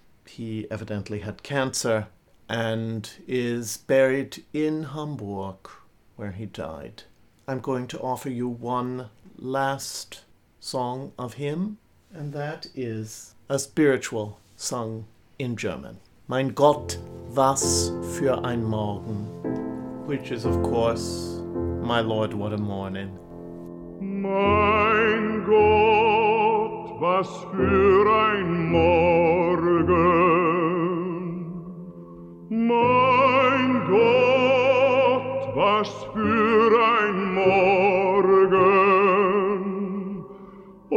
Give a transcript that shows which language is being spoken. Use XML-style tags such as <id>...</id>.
<en>He evidently had cancer and is buried in Hamburg, where he died. I'm going to offer you one last song of him, and that is a spiritual sung in German.</en> <de>Mein Gott, was für ein Morgen.</de> <en>Which is, of course, my Lord, what a morning.</en> <de>Mein Gott, was für ein Morgen. Mein Gott, was für ein Morgen.</de>